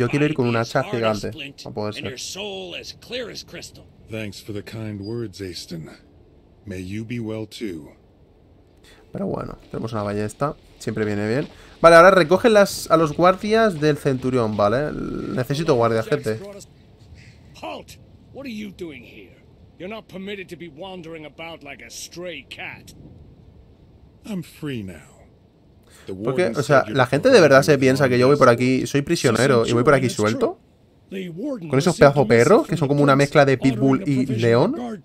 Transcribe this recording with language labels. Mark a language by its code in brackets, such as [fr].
[es] Yo quiero ir con un hacha gigante. No puede ser. [en] Your soul as clear as crystal. Thanks for the kind words, Aston. May you be well too. [es] Pero bueno, tenemos una ballesta, siempre viene bien. Vale, ahora recoge las a los guardias del centurión, ¿vale? Necesito guardia, gente. [en] Halt. What are you doing here? You're not permitted to be wandering about like a stray cat. I'm free now. [es] Porque, o sea, la gente de verdad se piensa que yo voy por aquí, soy prisionero y voy por aquí suelto. Con esos pedazos perros que son como una mezcla de pitbull y león.